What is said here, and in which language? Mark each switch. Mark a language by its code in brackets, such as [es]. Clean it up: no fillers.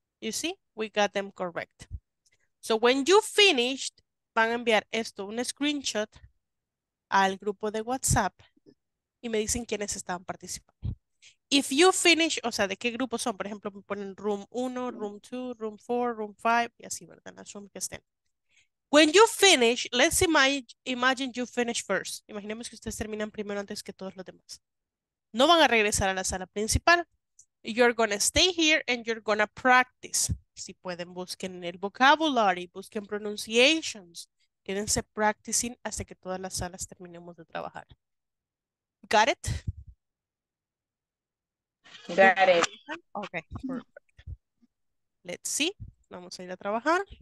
[en] You see, we got them correct. So when you finished, [es] van a enviar esto, un screenshot, al grupo de WhatsApp y me dicen quiénes estaban participando. [en] If you finish, [es] o sea, ¿de qué grupo son? Por ejemplo, me ponen room 1, room 2, room 4, room 5, y así, ¿verdad? Las rooms que estén. [en] When you finish, let's imagine you finish first. [es] Imaginemos que ustedes terminan primero antes que todos los demás. No van a regresar a la sala principal. [en] You're going to stay here and you're going to practice. [es] Si pueden, busquen el vocabulary, busquen pronunciations. Quédense practicing hasta que todas las salas terminemos de trabajar. [en] Got it? Got it. Okay, perfect. Let's see. [es] Vamos a ir a trabajar.